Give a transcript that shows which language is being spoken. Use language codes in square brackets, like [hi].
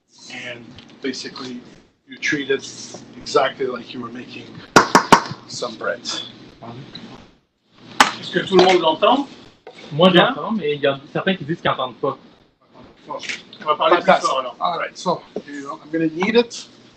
[en] And basically, you treat it exactly like you were making some bread. [fr] Est-ce que tout le monde l'entend? Moi, j'entends, mais il y a certains qui disent qu'ils n'entendent pas. On va parler plus fort alors. [en] All right, so I'm going to knead it.